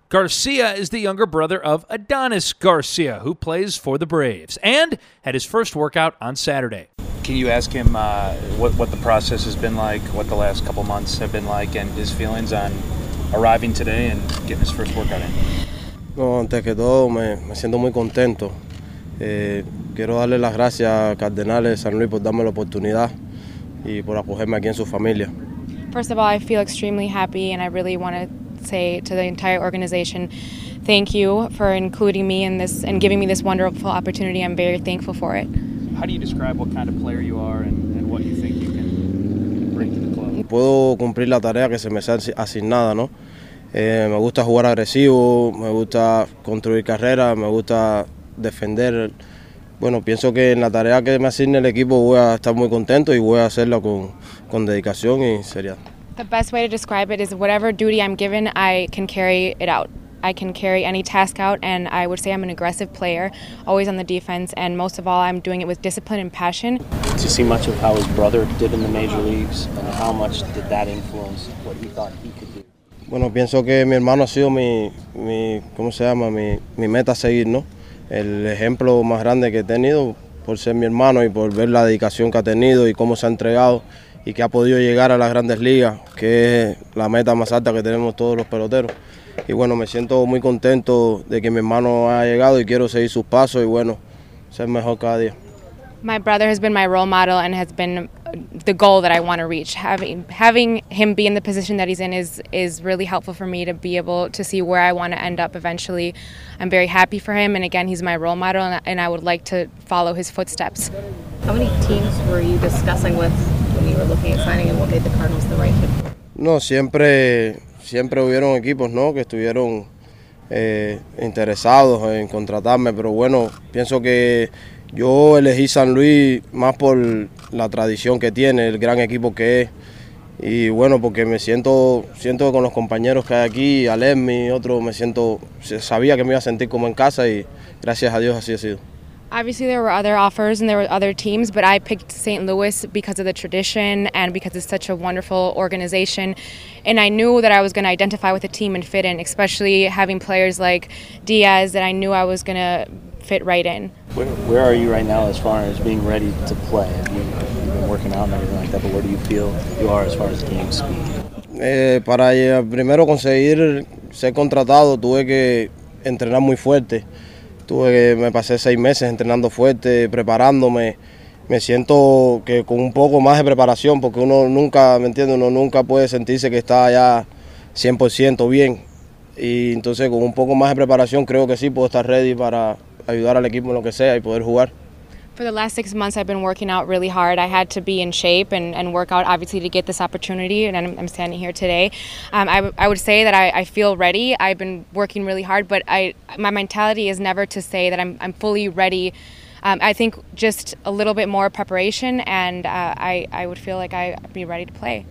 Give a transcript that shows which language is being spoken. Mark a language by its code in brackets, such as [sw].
[en] Garcia is the younger brother of Adonis Garcia, who plays for the Braves and had his first workout on Saturday. Can you ask him what the process has been like, what the last couple months have been like, and his feelings on arriving today and getting his first workout in? [es] No, antes que todo, me siento muy contento. Quiero darle las gracias a Cardenales San Luis por darme la oportunidad y por acogerme aquí en su familia. [en] First of all, I feel extremely happy, and I really want to say to the entire organization, thank you for including me in this and giving me this wonderful opportunity. I'm very thankful for it. How do you describe what kind of player you are and what you think you can bring to the club? [es] Puedo cumplir la tarea que se me ha asignada, ¿no? Me gusta jugar agresivo, me gusta construir carrera, me gusta defender. Bueno, pienso que en la tarea que me asigne el equipo voy a estar muy contento y voy a hacerlo con dedicación y seriedad. [en] The best way to describe it is whatever duty I'm given, I can carry it out. I can carry any task out, and I would say I'm an aggressive player, always on the defense, and most of all, I'm doing it with discipline and passion. Did you see much of how his brother did in the major leagues, and how much did that influence what he thought he could do? [es] Bueno, pienso que mi hermano ha sido mi ¿cómo se llama? Mi meta a seguir, ¿no? El ejemplo más grande que he tenido por ser mi hermano y por ver la dedicación que ha tenido y cómo se ha entregado y que ha podido llegar a las grandes ligas, que es la meta más alta que tenemos todos los peloteros. Y bueno, me siento muy contento de que mi hermano ha llegado y quiero seguir sus pasos y bueno, ser mejor cada día. [en] My brother has been my role model and has been the goal that I want to reach. Having him be in the position that he's in is really helpful for me to be able to see where I want to end up eventually. I'm very happy for him, and again, he's my role model, and I would like to follow his footsteps. How many teams were you discussing with when you were looking at signing, and what made the Cardinals the right fit? [es] No, siempre hubieron equipos, ¿no?, que estuvieron interesados en contratarme, pero bueno, pienso que yo elegí San Luis más por la tradición que tiene, el gran equipo que es. Y bueno, porque me siento con los compañeros que hay aquí, Alem y otro, sabía que me iba a sentir como en casa y gracias a Dios así ha sido. [en] Obviously there were other offers and there were other teams, but I picked St. Louis because of the tradition and because it's such a wonderful organization. And I knew that I was going to identify with the team and fit in, especially having players like Diaz that I knew I was going to fit right in. Where are you right now as far as being ready to play? You've been working out and everything like that, but where do you feel you are as far as game speed? [es] Para primero conseguir ser contratado tuve que entrenar muy fuerte. Me pasé 6 meses entrenando fuerte, preparándome. Me siento que con un poco más de preparación, porque uno nunca, ¿me entiendes? Uno nunca puede sentirse que está ya 100% bien. Y entonces con un poco más de preparación creo que sí puedo estar ready para ayudar al equipo en lo que sea y poder jugar. [en] For the last 6 months I've been working out really hard. I had to be in shape and work out obviously to get this opportunity, and I'm standing here today. I would say that I feel ready. I've been working really hard, but my mentality is never to say that I'm fully ready. I think just a little bit more preparation and I would feel like I'd be ready to play.